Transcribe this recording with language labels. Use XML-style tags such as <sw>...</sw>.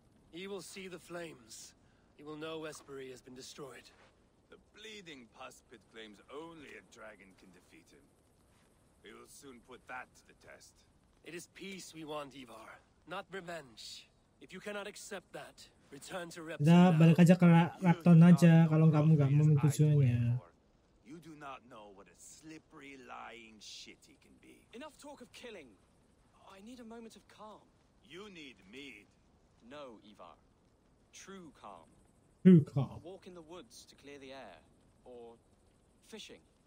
<en>He will see the flames. He will know Westbury has been destroyed. The bleeding puspit claims only a dragon can defeat him. We will soon put that to the test. It is peace we want, Ivar, not revenge. If you cannot accept that, return to Repton.</en> <id>Nah, balik aja ke Repton aja kalau kamu enggak mau tujuannya.</id> <en>You do not know what a slippery lying shit he can be. Enough talk of killing. I need a moment of calm. You need mead. No, Ivar. True calm. True calm. A walk in the woods to clear the air or fishing.</en>